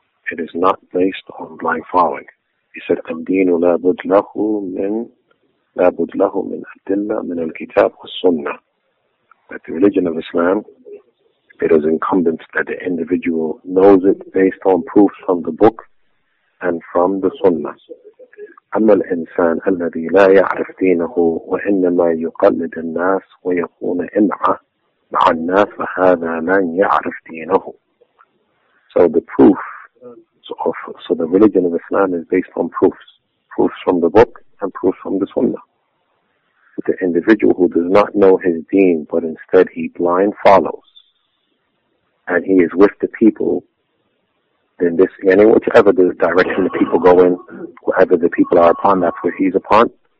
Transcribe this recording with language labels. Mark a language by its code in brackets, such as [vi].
[en] It is not based on blind following. He said, [ar] al-deenu la bud lahu min adilla min al-kitab wa sunnah, [en] that the religion of Islam, it is incumbent that the individual knows it based on proofs from the book and from the sunnah. [ar] أما الإنسان الذي لا يعرف دينه وإنما يقلد الناس ويكون إمعة مع الناس فهذا من يعرف دينه. [en] So the proof of, so the religion of Islam is based on proofs. Proofs from the book and proofs from the sunnah. But the individual who does not know his deen, but instead he blind follows, and he is with the people, then this, any, whichever the direction the people go in, whoever the people are upon, that's where he's upon.